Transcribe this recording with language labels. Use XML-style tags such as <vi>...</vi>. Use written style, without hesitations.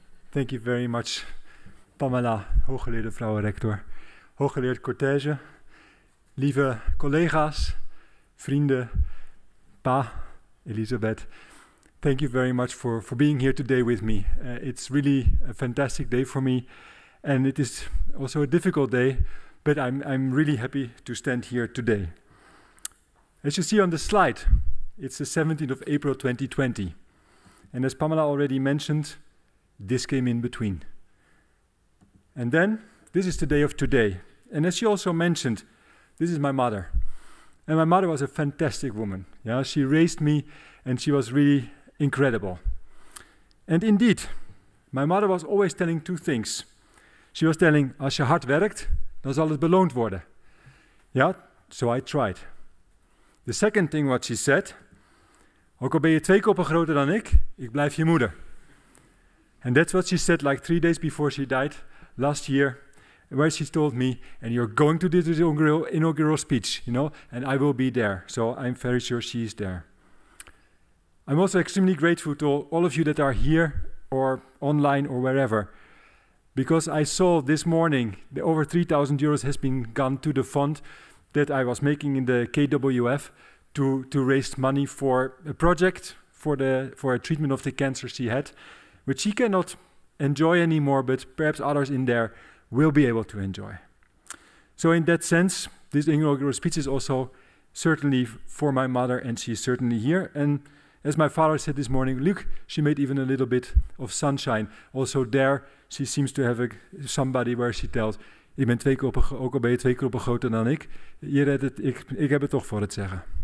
<en>Thank you very much,</en> <nl>Pamela, hooggeleerde vrouwenrector, hooggeleerd cortege, lieve collega's, vrienden, pa, Elisabeth.</nl> <en>Thank you very much for being here today with me. It's really a fantastic day for me, and it is also a difficult day, but I'm really happy to stand here today. As you see on the slide, it's the 17th of April, 2020. And as Pamela already mentioned, this came in between. And then, this is the day of today. And as she also mentioned, this is my mother. And my mother was a fantastic woman. Yeah, she raised me and she was really incredible. And indeed, my mother was always telling two things. She was telling,</en> <nl>als je hard werkt, dan zal het beloond worden.</nl> <en>Yeah, so I tried. The second thing what she said,</en> <nl>ook al ben je twee koppen groter dan ik, ik blijf je moeder.</nl> <en>And that's what she said like 3 days before she died last year, where she told me, and you're going to do this inaugural speech, you know, and I will be there. So I'm very sure she's there. I'm also extremely grateful to all of you that are here or online or wherever, because I saw this morning that over 3,000 euros has been gone to the fund that I was making in the KWF to raise money for a project for a treatment of the cancer she had, which she cannot enjoy anymore, but perhaps others in there will be able to enjoy. So in that sense, this inaugural speech is also certainly for my mother, and she's certainly here. And as my father said this morning, look, she made even a little bit of sunshine. Also there, she seems to have somebody where she tells,</en> <nl>ik ben twee koppen, ook al ben je twee koppen groter dan ik, je redt het, ik heb het toch voor het zeggen.</nl>